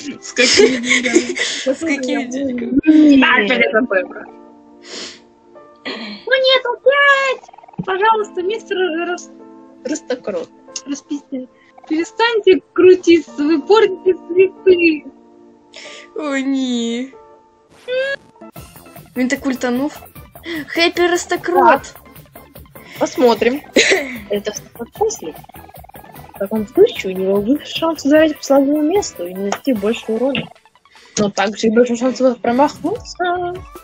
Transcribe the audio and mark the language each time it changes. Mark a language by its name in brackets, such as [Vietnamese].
[Russian] С какими деньгами? С какими деньгами? Дальше это выбор. Ну нет, опять! Пожалуйста, мистер Ростокрот. Распиздите. Перестаньте крутиться, вы портите цветы. О, не. [Ukrainian] Він так ультанув. Хеппі Ростокрот! [Russian] Посмотрим. Это после. В таком случае у него выше шанс ударить по слабому месту и нанести больше урона. Но также и больше шансов промахнуться.